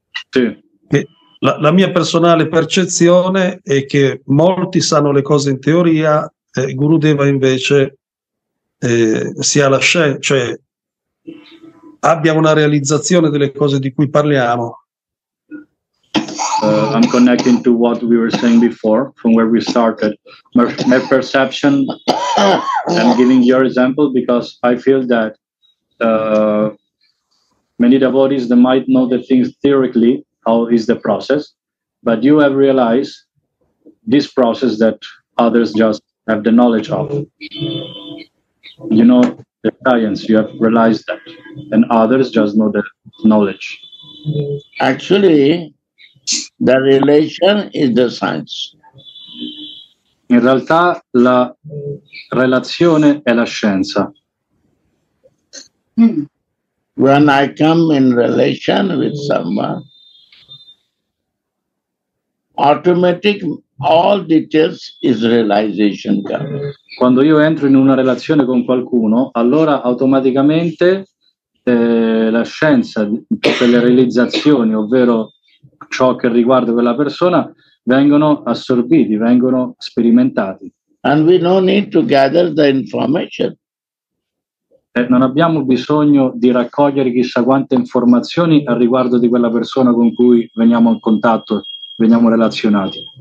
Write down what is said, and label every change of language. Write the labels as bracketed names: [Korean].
[Italian] Sì. La mia personale percezione è che molti sanno le cose in teoria, Gurudeva invece sia la scienza, cioè abbia una realizzazione delle cose di cui parliamo. [English] I'm connecting to what we were saying before, from where we started. My perception, I'm giving your example because I feel that many devotees, they might know the things theoretically, how is the process, but you have realized this process that others just have the knowledge of. You know the science, you have realized that, and others just know the knowledge. Actually, the relation is the science. [Italian] In realtà la relazione è la scienza. [English] When I come in relation with someone, automatic all details is realization come. [Italian] Quando io entro in una relazione con qualcuno, allora automaticamente la scienza, tutte le realizzazioni, ovvero ciò che riguarda quella persona, vengono assorbiti, vengono sperimentati. [English] And we don't need to gather the information. [Italian] Non abbiamo bisogno di raccogliere chissà quante informazioni a riguardo di quella persona con cui veniamo in contatto, veniamo relazionati.